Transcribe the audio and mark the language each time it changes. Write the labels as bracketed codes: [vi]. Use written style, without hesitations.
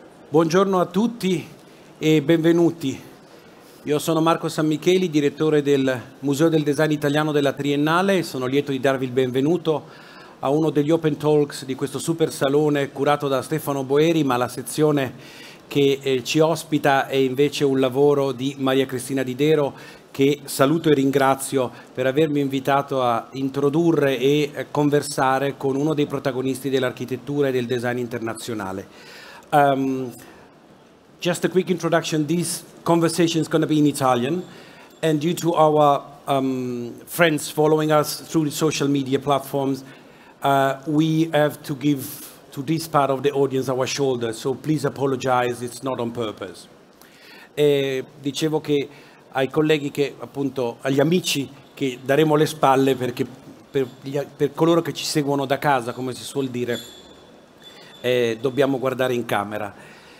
[it] Buongiorno a tutti e benvenuti. Io sono Marco San Micheli, direttore del Museo del Design Italiano della Triennale e sono lieto di darvi il benvenuto a uno degli Open Talks di questo super salone curato da Stefano Boeri, ma la sezione che ci ospita è invece un lavoro di Maria Cristina Didero, che saluto e ringrazio per avermi invitato a introdurre e conversare con uno dei protagonisti dell'architettura e del design internazionale. [en] Just a quick introduction, this conversation is going to be in Italian, and due to our friends following us through the social media platforms, we have to give to this part of the audience our shoulder, so please apologize, it's not on purpose. [it] Dicevo che ai colleghi che appunto agli amici che daremo le spalle, perché per coloro che ci seguono da casa, come si suol dire, dobbiamo guardare in camera.